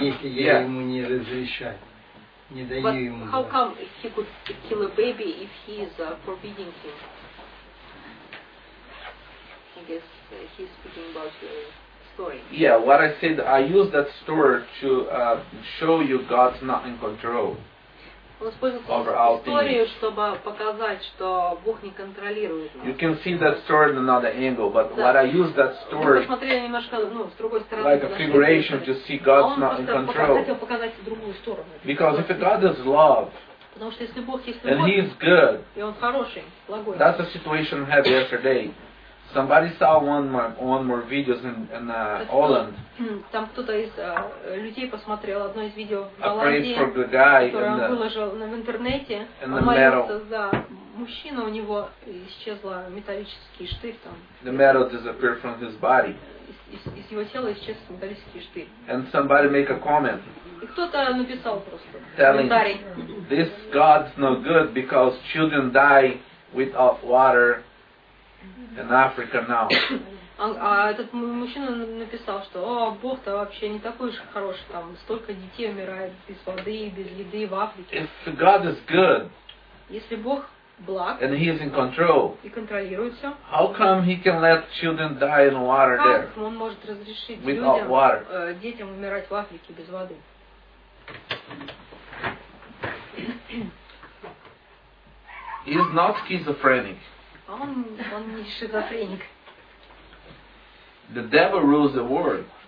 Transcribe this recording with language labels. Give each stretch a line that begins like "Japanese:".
Russian: Нет, если я ему не разрешаю, не даю
English: But
Russian: ему.
English: How да. come he could kill a baby if he is forbidding him? I guess he's speaking about the story. Yeah, what I said, I use that story to show you God's not in control.
Russian: Он использовал историю, чтобы показать, что Бог не контролирует нас.
English: You can see that story in another angle, but да. What I use that story.
Russian: Мы посмотрели немножко, ну, с другой стороны.
English: Like a figuration to see God's not in control.
Russian: Он хотел показать другую сторону.
English: Because if God is love.
Russian: Потому что если Бог есть любовь.
English: And He is good.
Russian: И он хороший, благой.
English: That's the situation I had yesterday. Somebody saw one more videos in Holland.
Russian: Там кто-то из людей посмотрел одно из видео в Голландии, которое он выложил в интернете.
English: In the metal.
Russian: За мужчину, у него исчезла металлический штырь там.
English: The metal disappeared from his body.
Russian: Из его тела исчез металлический штырь.
English: And somebody make a comment.
Russian: И кто-то написал просто.
English: Telling this God's no good because children die without water. In Africa now.
Russian: А этот мужчина написал, что о, Бог-то вообще не такой уж хороший, там столько детей умирает без воды, без еды в Африке.
English: If God is good,
Russian: если Бог благ,
English: and He is in control,
Russian: и контролирует все,
English: how come He can let children die in water there?
Russian: Как он может разрешить
English: without water?
Russian: Детям умирать в Африке без воды?
English: He is not schizophrenic.
Russian: Он не шизофреник.
English: The devil rules the world.